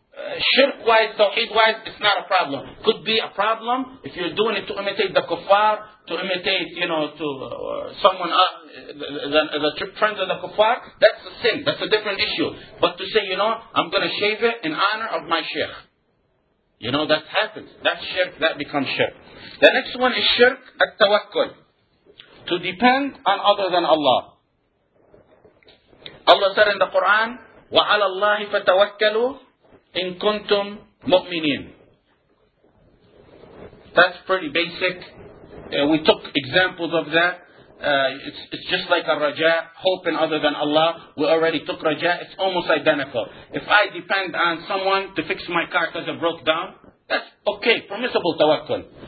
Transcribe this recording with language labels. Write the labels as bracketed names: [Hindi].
[English] Shirk-wise, tawheed-wise, it's not a problem. Could be a problem if you're doing it to imitate the kuffar, to imitate, you know, to someone, the friends of the kuffar, that's a sin. That's a different issue. But to say, you know, I'm going to shave it in honor of my sheikh. You know, that happens. That's shirk. That becomes shirk. The next one is shirk at-tawakkul. To depend on other than Allah. Allah said in the Quran, [Arabic] وَعَلَى اللَّهِ فَتَوَكَّلُوا إِن كُنْتُمْ مُؤْمِنِينَ. [English] That's pretty basic. We took examples of that. It's just like a raja, hoping other than Allah. We already took raja. It's almost identical. If I depend on someone to fix my car because it broke down, that's okay, permissible tawakkul.